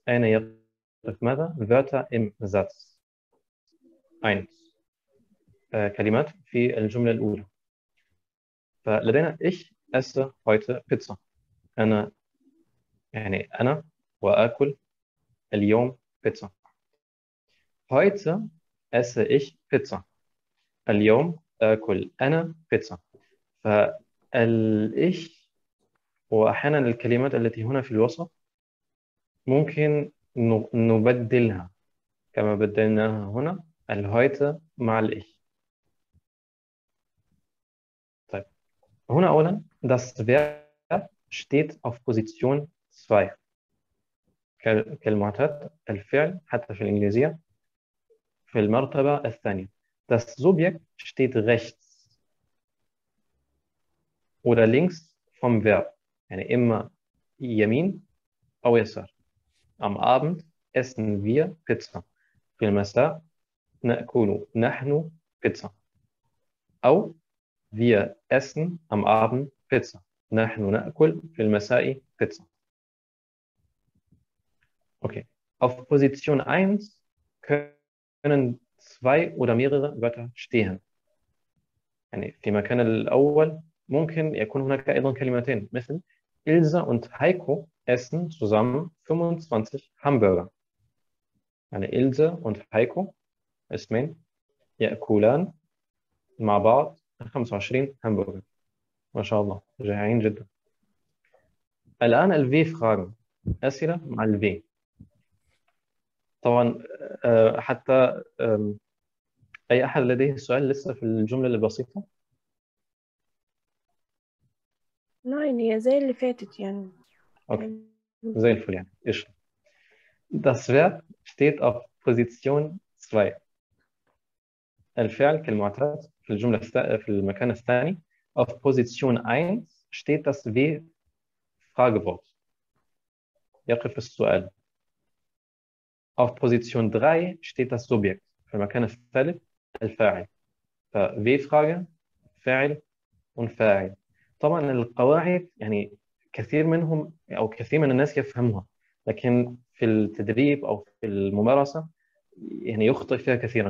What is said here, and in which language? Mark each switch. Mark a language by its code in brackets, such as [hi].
[de] Eine [ar] يقف ماذا؟ [de] Wörter im Satz. [ar] 1. كلمات في الجملة الأولى. فلدينا [de] ich esse heute Pizza. [ar] أنا يعني أنا وآكل اليوم بيتزا. [de] Heute esse ich Pizza. [ar] اليوم آكل أنا بيتزا. ف الإيش وأحيانا الكلمات التي هنا في الوسط ممكن نبدلها كما بدلناها هنا الهايتا مع الإيش. طيب هنا أولا [de] das Verb steht auf Position 2 [ar] كالمعتاد الفعل حتى في الإنجليزية في المرتبة الثانية. [de] Das Subjekt steht rechts oder links vom Verb, [ar] يعني إما يمين أو يسار. [de] Am Abend essen wir Pizza. [ar] في المساء نأكل نحن بيتزا. [de] أو wir essen am Abend Pizza. [ar] نحن نأكل في المساء بيتزا. [en] Okay. [de] Auf Position 1 können zwei oder mehrere Wörter stehen. [ar] يعني في المكان الأول ممكن يكون هناك أيضا كلمتين مثل إلزا [de] und Heiko essen zusammen 25 Hamburger. [ar] يعني إلزا und Heiko اسمين يأكلان مع بعض 25 هامبرجر. ما شاء الله جائعين جدا. الآن الـ V Fragen. أسئلة مع الـ V. طبعا حتى أي أحد لديه سؤال لسه في الجملة البسيطة؟ نعم، هي زي اللي فاتت يعني. أوكي زي الفل يعني. إيش [de] Das Verb steht auf Position 2. [ar] الفعل كالمعتاد في الجملة في المكان الثاني. [de] Auf Position 1 steht das V Fragewort. [ar] يقف السؤال. [de] Auf Position 3 steht das Subjekt. [ar] في المكان الثالث الفاعل. ف V Frage فاعل وفاعل. طبعا القواعد يعني كثير منهم او كثير من الناس يفهمها، لكن في التدريب او في الممارسه يعني يخطئ فيها كثيرا.